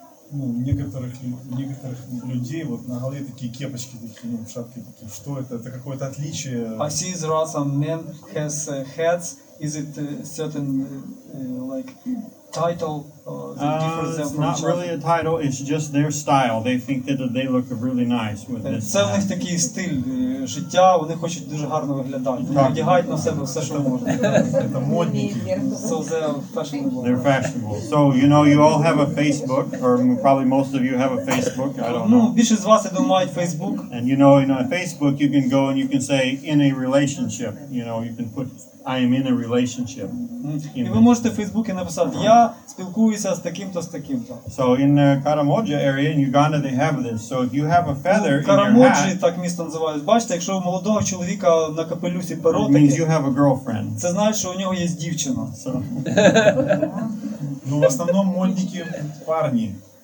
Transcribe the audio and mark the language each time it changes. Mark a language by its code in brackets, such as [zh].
[ru] Ну, некоторых людей вот на голове такие кепочки такие, ну, шапки такие. Что это какое-то отличие? [en] I see there are some men has hats. Is it certain like title? It's not really a title. It's just their style. They think that they look really nice with this. [uk] Це в них такий стиль життя. Вони хочуть дуже гарно виглядати. Вони одягають на себе все, що можна. Це модники. [en] So they're fashionable. They're fashionable. So you know, you all have a Facebook, or probably most of you have a Facebook. I don't know. [uk] Ну, більшість з вас, я думаю, мають Facebook. [en] And you know, in a Facebook, you can go and you can say in a relationship. You know, you can put I am in a relationship. [uk] І ви можете в Фейсбуці написати, я спілкуюся з таким-то, з таким-то. [en] So in the Karamoja area in Uganda they have this. So if you have a feather in Karamoji, your hat. [uk] Так місто називають. Бачите, якщо у молодого чоловіка на капелюсі перо таке. [en] Means you have a girlfriend. [uk] Це значить, що у нього є дівчина. [en] So. [uk] Ну, в основному модники парні.